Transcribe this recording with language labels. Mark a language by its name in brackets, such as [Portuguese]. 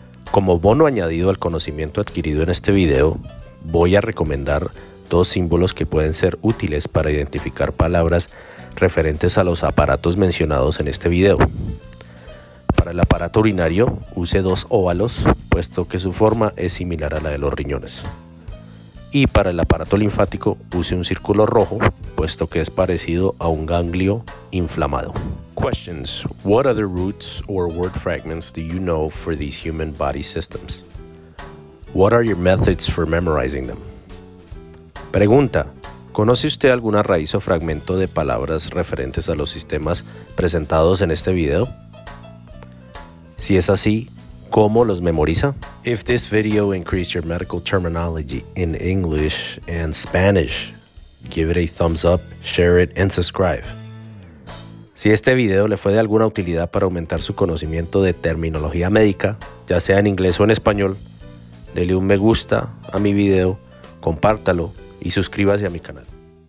[Spanish] Como bono añadido al conocimiento adquirido en este video, voy a recomendar dos símbolos que pueden ser útiles para identificar palabras referentes a los aparatos mencionados en este video. Para el aparato urinario, use dos óvalos, puesto que su forma es similar a la de los riñones. Y para el aparato linfático, use un círculo rojo, puesto que es parecido a un ganglio inflamado. [English] Questions: What other roots or word fragments do you know for these human body systems? What are your methods for memorizing them? [Spanish] Pregunta: ¿Conoce usted alguna raíz o fragmento de palabras referentes a los sistemas presentados en este video? Si es así, ¿cómo los memoriza? [English] If this video increased your medical terminology in English and Spanish, give it a thumbs up, share it, and subscribe. [Spanish] Si este video le fue de alguna utilidad para aumentar su conocimiento de terminología médica, ya sea en inglés o en español, dele un me gusta a mi video, compártalo y suscríbase a mi canal.